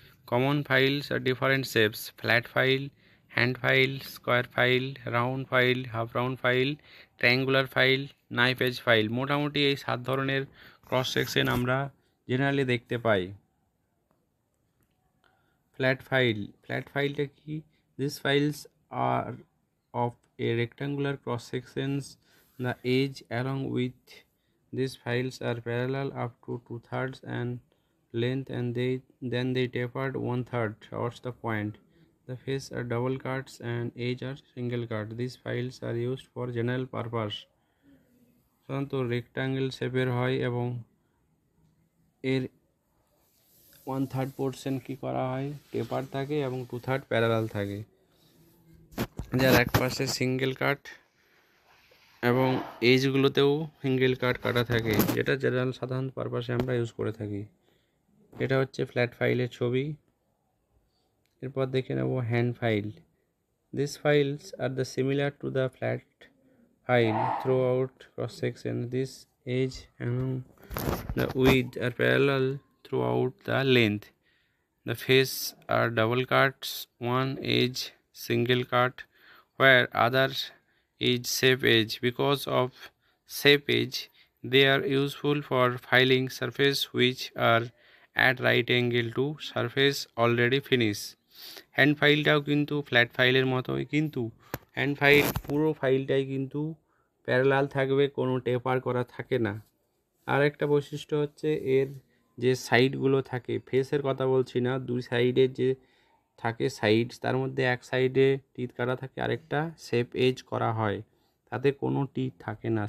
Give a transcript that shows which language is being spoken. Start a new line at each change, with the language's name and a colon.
English: common files are different shapes,
Bangla: flat file, hand file, square file, round file, half round file, triangular file, knife age file, মোটামুটি এই সাত ধরনের cross section আমরা generally দেখতে পাই।
English: flat file,
Bangla: flat ফাইলটা কি,
English: This files are of a rectangular cross sections, the edge along with this files are parallel up to two thirds and length and then they tapered 1/3 towards the point. The face are double cuts and edge are single cut. These files are used for general purpose.
Bangla: সাধারণত rectangle শেপের হয় এবং এর 1/3 portion কি করা হয় টেপার থাকে এবং 2/3 প্যারালাল থাকে, যার এক পাশে সিঙ্গেল কাট এবং এজগুলোতেও সিঙ্গেল কাট কাটা থাকে, যেটা জেনারেল সাধারণ পারপাসে আমরা ইউজ করে থাকি। এটা হচ্ছে ফ্ল্যাট ফাইলের ছবি। এরপর দেখে নেব hand file.
English: This files are the similar to the flat file throughout cross section. This edge and the width are parallel throughout the length. The face are double cuts, one edge single cut, where other edge shape edge. Because of shape edge, they are useful for filing surface which are at right angle to surface already finished.
Bangla: Hand file টাও কিন্তু flat file এর মতোই, কিন্তু hand file পুরো ফাইলটাই কিন্তু parallel থাকবে, কোনো টেপার করা থাকে না। আর একটা বৈশিষ্ট্য হচ্ছে এর যে সাইডগুলো থাকে, ফেসের কথা বলছি না, দুই সাইডের যে থাকে সাইড, তার মধ্যে এক সাইডে টিথ কাটা থাকে, আরেকটা শেপ এজ করা হয়, তাতে কোনো টিথ থাকে না।